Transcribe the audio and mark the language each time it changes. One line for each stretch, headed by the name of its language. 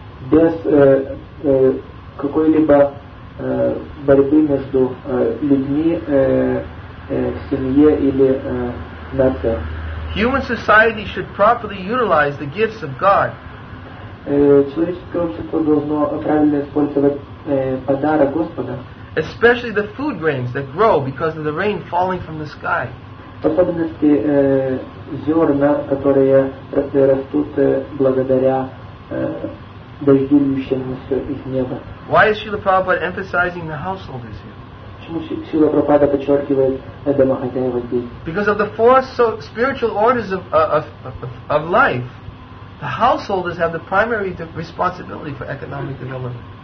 Russian: Без какой-либо борьбы между людьми в семье или нация.
English: Human society should properly utilize the gifts of God.
Russian: Человеческое общество должно правильно использовать подарок Господа.
English: Especially the food grains that grow because of the rain falling from the sky.
Russian: В особенности зерна, которые растут благодаря дождющемуся из неба.
English: Why is Srila Prabhupada emphasizing the householders here?
Russian: Почему Srila Prabhupada подчеркивает домохозяева здесь?
English: Because of the four spiritual orders of life, the householders have the primary responsibility for economic development.